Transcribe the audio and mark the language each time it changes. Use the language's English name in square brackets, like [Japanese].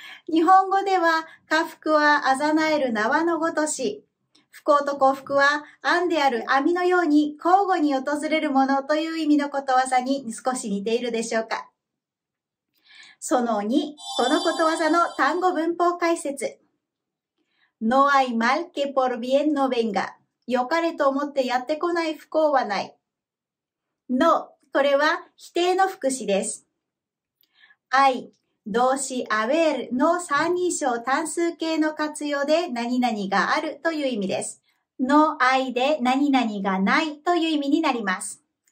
[Japanese] 日本語では、家福はあざなえる縄のごとし、不幸と幸福は案である網のように交互に訪れるものという意味のことわざに少し似ているでしょうか。その2、このことわざの単語文法解説。 [Spanish] No hay mal que por bien no venga。 [Japanese] 良かれと思ってやってこない不幸はない。No、これは否定の副詞です。 Hay、動詞 haber の三人称単数形の活用で何々があるという意味です。 No hay で何々がないという意味になります。